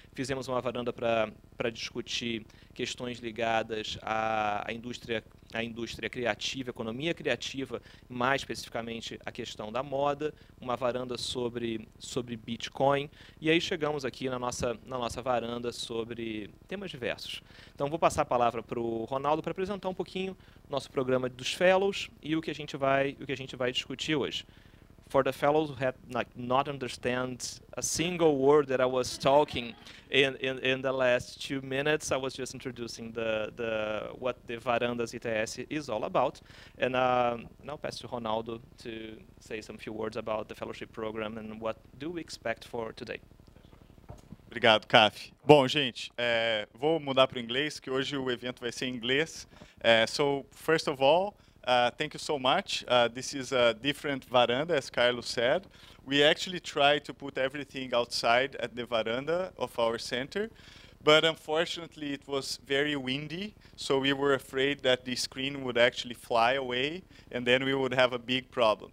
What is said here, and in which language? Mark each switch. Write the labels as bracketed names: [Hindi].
[Portuguese] Fizemos uma varanda para discutir questões ligadas à indústria criativa, economia criativa, mais especificamente a questão da moda, uma varanda sobre Bitcoin, e aí chegamos aqui na nossa varanda sobre temas diversos. Então vou passar a palavra para o Ronaldo para apresentar um pouquinho nosso programa dos fellows e o que a gente vai discutir hoje. [English] For the fellows who have not understand a single word that I was talking in the last 2 minutes, I was just introducing what the Varandas ITS is all about. And now pass to Ronaldo to say some few words about the fellowship program and what do we expect for today. [Portuguese] Obrigado, Caf. Bom, gente, vou mudar para o inglês, que hoje o evento vai ser em inglês. [English] So, first of all, thank you so much. This is a different varanda, as Carlos said. We actually try to put everything outside at the varanda of our center, but unfortunately it was very windy, so we were afraid that the screen would actually fly away and then we would have a big problem.